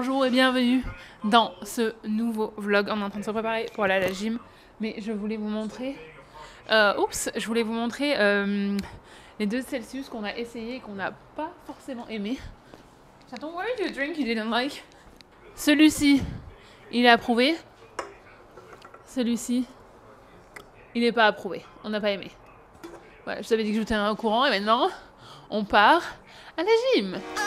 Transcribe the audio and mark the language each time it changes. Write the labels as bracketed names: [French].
[French] bienvenue dans ce nouveau vlog. On est en train de se préparer pour aller à la gym, mais je voulais vous montrer les deux Celsius qu'on a essayé et qu'on n'a pas forcément aimé. [English] Chaton, what did you drink you didn't like? [French] Celui-ci, il est approuvé. Celui-ci, il n'est pas approuvé. On n'a pas aimé. Voilà, je t'avais dit que j'étais au courant et maintenant, on part à la gym.